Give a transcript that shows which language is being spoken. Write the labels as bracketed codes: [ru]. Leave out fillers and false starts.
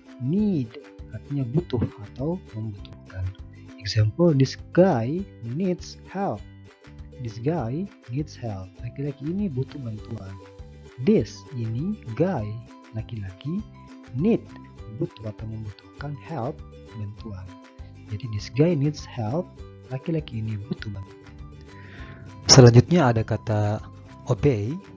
[id] Need, artinya butuh atau membutuhkan. [en] Example, this guy needs help. This guy needs help. [id] Laki-laki ini butuh bantuan. This, ini, guy, laki-laki, need, butuh atau membutuhkan help, bantuan. Jadi [en] this guy needs help, [id] laki-laki ini butuh bantuan. Selanjutnya ada kata obey.